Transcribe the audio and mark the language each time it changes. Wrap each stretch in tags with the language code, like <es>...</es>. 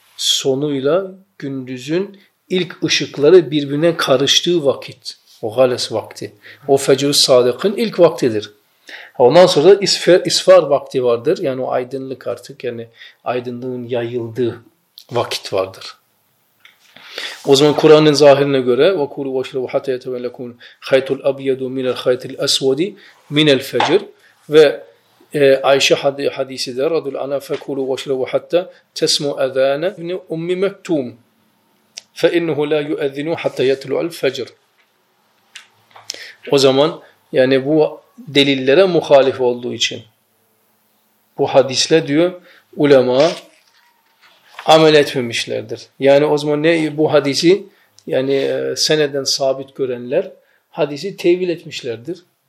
<tr>sonuyla gündüzün ilk ışıkları birbirine karıştığı vakit. O gales vakti. O fecr-i sadıkın ilk vaktidir. Ondan sonra da isfar vakti vardır. Yani o aydınlık artık, yani aydınlığın yayıldığı vakit vardır. O zaman Kur'an'ın zahirine göre</tr> <ar>وَكُولُوا وَشْرَوْا حَتَّى يَتَبَيَّنَ لَكُمُ الْخَيْطُ الْأَبْيَضُ مِنَ الْخَيْطِ الْأَسْوَدِ مِنَ الْفَجْرِ.</ar> <tr>Ve Ayşe hadisi de</tr> <ar>رَضُ الْعَنَا فَكُولُوا وَشْرَوْا حَتَّى تَسْمُوا أَذَانَ اِبْنِ اُمِّ مَكْتُوم فَاِنُّهُ لَا يُؤَذِّنُوا حَتَّى يَتْلُعَ الْفَجْرِ.</ar> <tr>O zaman yani bu delillere muhalif olduğu için bu hadisle diyor ulema amel etmemişlerdir. Yani o zaman ne bu hadisi, yani seneden sabit görenler hadisi tevil etmişlerdir.</tr>